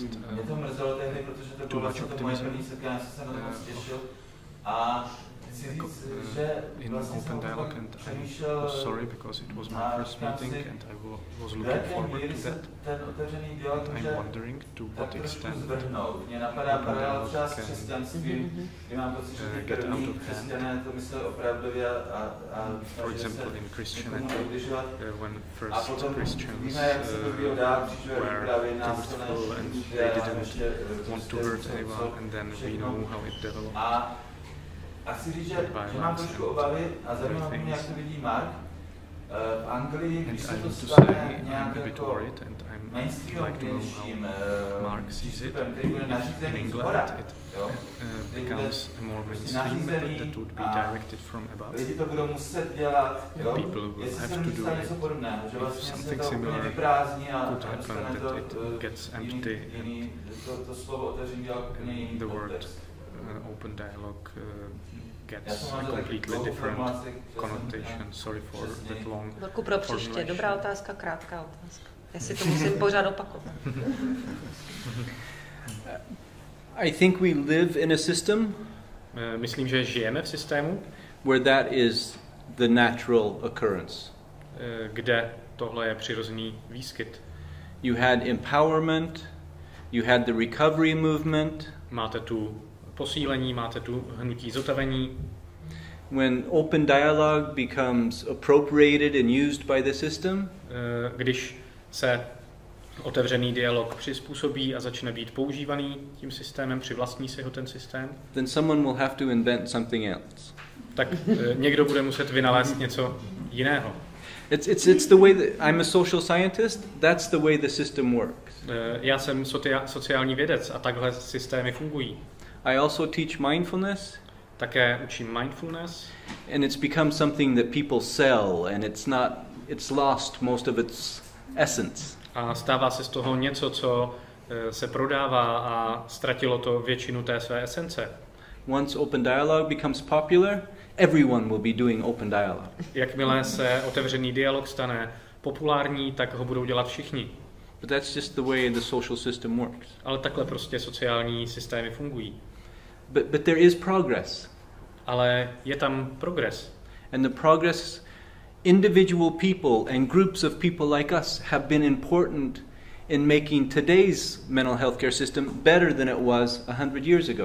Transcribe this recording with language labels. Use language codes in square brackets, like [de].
[cs] Mě to mrzelo tehdy, protože to bylo vlastně to moje první setkání, se na to moc těšil. A chci říct, že vlastně jsem přemýšlel [en] sorry, because it was my first meeting and I was looking forward to that. [cs] Ten otevřený dialog může tak trošku zvrhnout. Mě napadá paralela třeba s křesťanstvím, kdy mám pocit, že ty první křesťané to myslel opravdově a [en] for example, in Christianity, when first Christians were truthful and they didn't want to hurt anyone, and then we know how it developed. [cs] A chci říct, že mám trošku obavy a zajímavé mě, jak to vidí Mark. V Anglii, když se to stane nějak jako mainstreamovějším přístupem, který bude nařízený z hora, [en] becomes a more mainstream, but [cs] lidi to budou muset dělat, jo? Jestli se mi stane něco podobného, že vlastně se to úplně vyprázdní a dostane to jiný, to slovo otevřím dělat úplně jiný kontext. [en] Open dialogue gets a completely different connotation. Sorry for that long. [cs] Velkou pro příště. Dobrá otázka, krátká otázka. Já si to musím pořád opakovat. [en] I think we live in a system. [cs] Myslím, že žijeme v systému, [en] where that is the natural occurrence. [cs] Kde tohle je přirozený výskyt. [en] You had empowerment. You had the recovery movement. [cs] Máte tu posílení, máte tu hnutí zotavení. [en] When open dialogue becomes appropriated and used by the system, [cs] když se otevřený dialog přizpůsobí a začne být používaný tím systémem, přivlastní si ho ten systém, [en] then someone will have to invent something else. [cs] Tak někdo bude muset vynalézt něco jiného. [en] It's the way that I'm a social scientist, that's the way the system works. [cs] Já jsem sociální vědec a takhle systémy fungují. [en] I also teach mindfulness. [cs] Také učím mindfulness. [en] And it's become something that people sell, and it's lost most of its essence. [cs] A stává se z toho něco, co se prodává a ztratilo to většinu té své esence. [en] Once open dialogue becomes popular, everyone will be doing open dialogue. [cs] Jakmile se otevřený dialog stane populární, tak ho budou dělat všichni. [en] But that's just the way the social system works. [cs] Ale takhle prostě sociální systémy fungují. [en] But there is progress. [cs] Ale je tam progres. [en] And the progress individual people and groups of people like us have been important in making today's mental health care system better than it was 100 years ago.